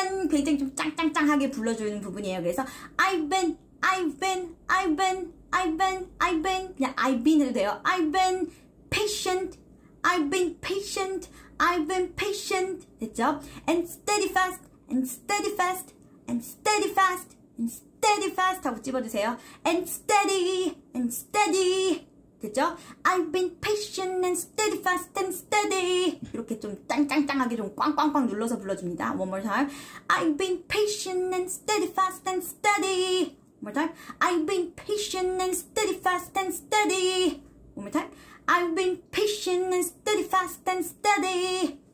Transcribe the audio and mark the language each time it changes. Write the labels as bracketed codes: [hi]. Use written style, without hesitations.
[ko] 굉장히 좀 짱짱짱하게 불러주는 부분이에요. 그래서 [en] I've been, I've been, I've been, I've been, I've been [ko] 그냥 [en] I've been [ko] 해도 돼요. [en] I've been patient, I've been patient, I've been patient [ko] 됐죠? [en] And steady fast, and steady fast, and steady fast, and steady fast [ko] 하고 찝어주세요. [en] And steady, and steady [ko] 됐죠? [en] I've been patient and steady, fast and steady. [ko] 이렇게 좀 짱짱짱하게 좀 꽝꽝꽝 눌러서 불러줍니다. [en] One more time. I've been patient and steady, fast and steady. One more time. I've been patient and steady, fast and steady. One more time. I've been patient and steady, fast and steady.